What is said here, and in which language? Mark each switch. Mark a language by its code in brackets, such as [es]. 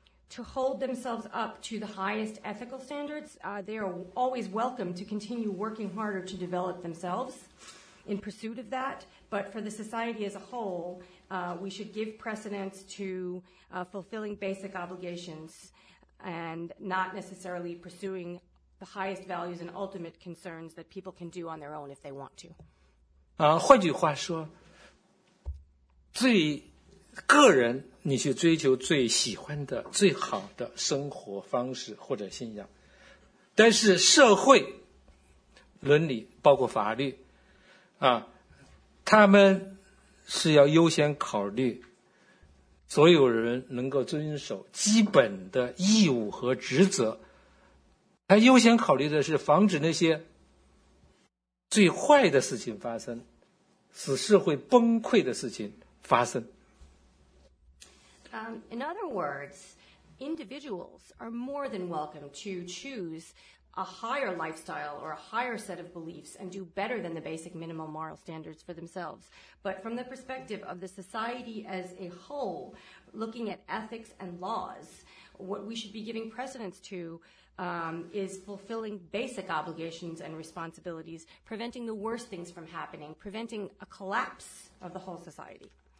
[en] to hold themselves up to the highest ethical standards, they are always welcome to continue working harder to develop themselves in pursuit of that. But for the society as a whole, we should give precedence to fulfilling basic obligations and not necessarily pursuing the highest values and ultimate concerns that people can do on their own if they want to. [zh] 换句话说, 最个人, 你去追求最喜欢的, 最好的生活方式或者信仰, 但是社会, 伦理, 包括法律, 啊, 他们是要优先考虑, 所有人能够遵守基本的义务和职责, 他优先考虑的是防止那些最坏的事情发生, 使社会崩溃的事情发生。 [en] In other words, individuals are more than welcome to choose a higher lifestyle or a higher set of beliefs and do better than the basic minimal moral standards for themselves. But from the perspective of the society as a whole, looking at ethics and laws, what we should be giving precedence to is fulfilling basic obligations and responsibilities, preventing the worst things from happening, preventing a collapse of the whole society.